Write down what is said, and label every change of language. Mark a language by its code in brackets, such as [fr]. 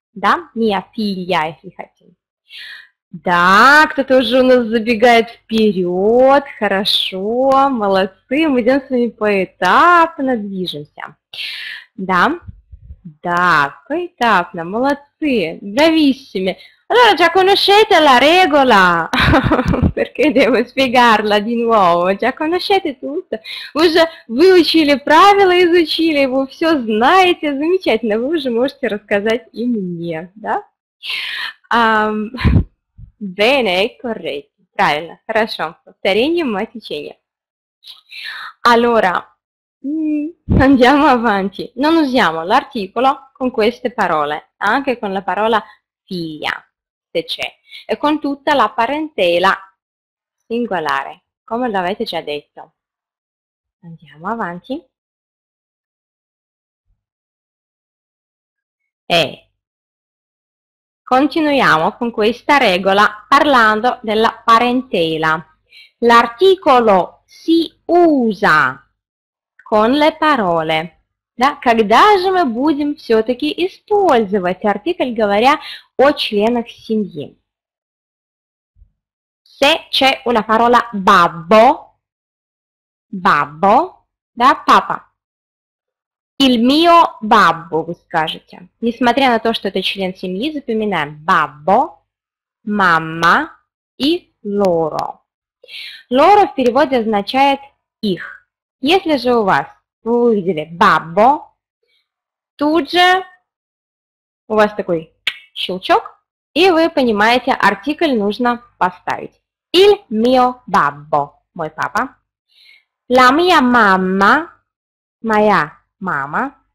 [ru] Да, [it] mia figlia, [ru] если хотим. Да, кто-то уже у нас забегает вперед. Хорошо, молодцы, мы идем с вами поэтапно, движемся. Да, да, поэтапно, молодцы, зависимые. [it] Allora, già conoscete la regola? Perché devo spiegarla di nuovo? Già conoscete tutto? [ru] Уже выучили правила, изучили, вы все знаете, замечательно, вы уже можете рассказать и мне, да? [it] Bene, corretto. [ru] Правильно, хорошо. Повторение, мать учения. [it] Allora, andiamo avanti. Non usiamo l'articolo con queste parole, anche con la parola figlia, se c'è, e con tutta la parentela singolare, come l'avete già detto. Andiamo avanti. Continuiamo con questa regola parlando della parentela. L'articolo si usa con le parole. Да? [ru] Когда же мы будем все-таки использовать артикль, говоря о членах семьи? [it] Se c'è una parola babbo, babbo, [ru] да, папа. [it] Il mio babbo, voi scrivete. [ru] Несмотря на то, что это член семьи, запоминаем babbo, mamma и loro. Loro в переводе означает их. Если же у вас вы увидели babbo, тут же у вас такой щелчок, и вы понимаете, артикль нужно поставить. [it] Il mio babbo, [ru] мой папа. [it] La mia mamma, [ru] моя мама.